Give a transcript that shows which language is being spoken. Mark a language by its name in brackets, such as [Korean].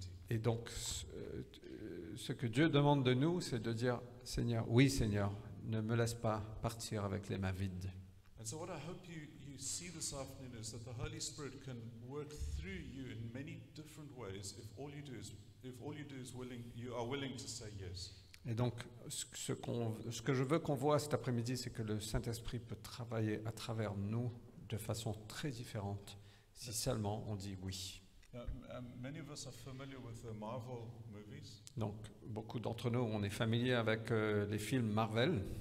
[French] Et donc, ce que Dieu demande de nous, c'est de dire, Seigneur, oui Seigneur, ne me laisse pas partir avec les mains vides. Et donc, ce que j'espère que [English] see this afternoon is that the Holy Spirit can work through you in many different ways if all you do is you are willing to say yes. [French] Et donc ce que je veux qu'on voit cet après-midi, c'est que le Saint-Esprit peut travailler à travers nous de façon très différente si seulement on dit oui. [English] Many of us are familiar with the Marvel movies. [French] Donc beaucoup d'entre nous, on est familier avec les films Marvel